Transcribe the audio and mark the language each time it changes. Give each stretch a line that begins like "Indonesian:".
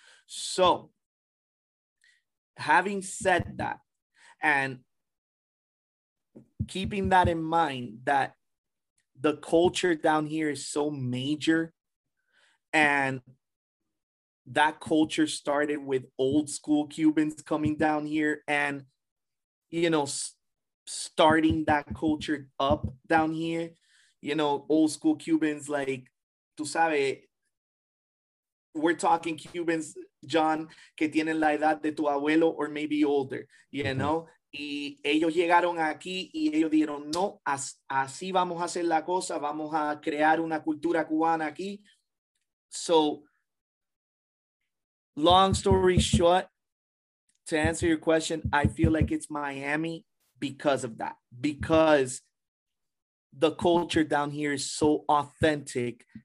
English: So having said that, and keeping that in mind, that the culture down here is so major, and that culture started with old school Cubans coming down here and, you know, starting that culture up down here, you know, old school Cubans, like,
Spanish: tú sabes,
English: we're talking Cubans, John,
Spanish: que tienen la edad de tu abuelo
English: or maybe older, you know? Mm-hmm.
Spanish: Y ellos llegaron aquí y ellos dijeron, no, así vamos a hacer la cosa. Vamos a crear una cultura cubana aquí.
English: So, long story short, to answer your question, I feel like it's Miami because of that. Because the culture down here is so authentic.